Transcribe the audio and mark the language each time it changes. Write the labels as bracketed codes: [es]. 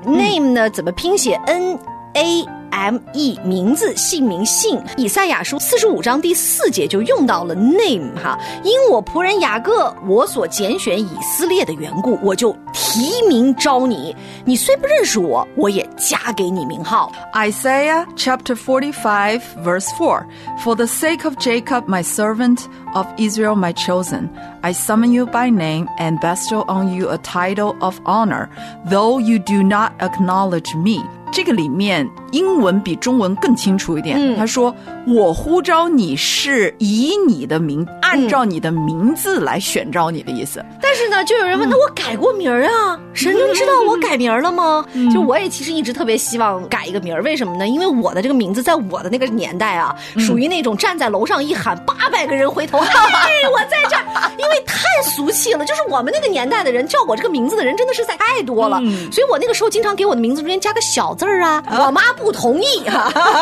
[zh] Name 呢怎么拼写？NAME 名字、姓名、姓。以赛亚书45:4就用到了 name 哈，因我仆人雅各，我所拣选以色列的缘故，我就提名招你，你虽不认识我，我也加给你名号。 [en] Isaiah chapter 45 verse 4, For the sake of Jacob my servant, of Israel my chosen, I summon you by name and bestow on you a title of honor, though you do not acknowledge me。 [zh] 这个里面英文比中文更清楚一点，他说我呼召你是以你的名，按照你的名字来选召你的意思。但是呢就有人问，那我改过名儿啊，神能知道我改名了吗？就我也其实一直特别希望改一个名儿，为什么呢？因为我的这个名字在我的那个年代啊，属于那种站在楼上一喊800个人回头哎，我在这儿，因为太俗气了，就是我们那个年代的人叫我这个名字的人真的是在太多了所以我那个时候经常给我的名字中间加个小字儿啊，我妈不同意啊